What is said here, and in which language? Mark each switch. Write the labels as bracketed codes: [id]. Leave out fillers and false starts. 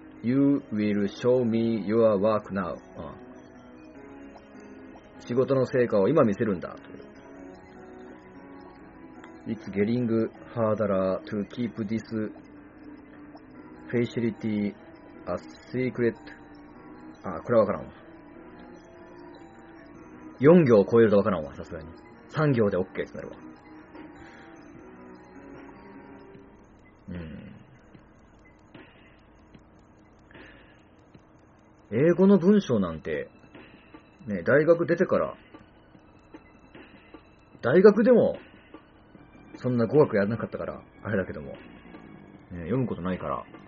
[en] You will show me your work now. [ja] 仕事の成果を今見せるんだという。 [en] It's getting harder to keep this facility a secret. [ja] あ、これはわからんわ。 4行を超えるとわからんわ、さすがに。3行で OK ってなるわ。英語の文章なんて、ね、大学出てから、大学でも、そんな語学やらなかったから、あれだけども、ね、読むことないから、